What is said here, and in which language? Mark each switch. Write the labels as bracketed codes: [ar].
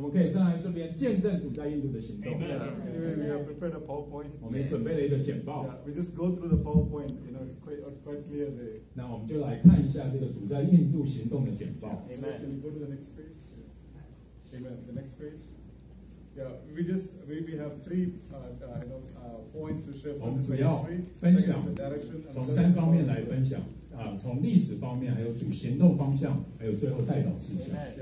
[zh] 从70年代开始到今天2024年，经过了50年，我们可以站在这边见证主在印度的行动。 [en] Anyway, we have prepared a PowerPoint. [zh] 我们准备了一个简报。Yeah, [en] we just go through the PowerPoint, you know, it's quite clear there. [zh] 那我们就来看一下这个主在印度行动的简报。 [en] Amen. Can you go to the next page? Amen. The next page. Yeah, we have three points to share. [zh] 我们主要分享，从三方面来分享，从历史方面，还有主行动方向，还有最后代祷事项。